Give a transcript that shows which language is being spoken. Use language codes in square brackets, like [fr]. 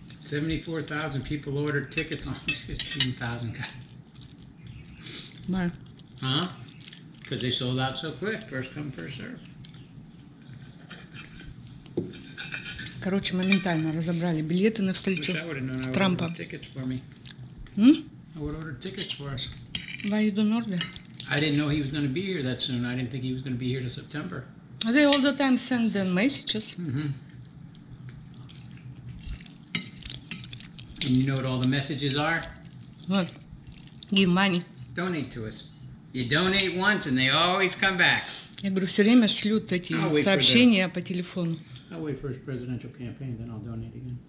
[en] 74,000 people ordered tickets on 15,000 guys. Why? Huh? Because they sold out so quick. First come, first serve. [ru] Короче, моментально разобрали билеты на встречу с Трампом. [en] Tickets for me. Hmm? I would order tickets for us. Why you do order? I didn't know he was going to be here that soon. I didn't think he was going to be here to September. They all the time send them messages. And you know what all the messages are? What? Give money. Donate to us. You donate once and they always come back. [ru] Я говорю, все время шлют такие сообщения по телефону. [en] I'll wait for his presidential campaign, then I'll donate again.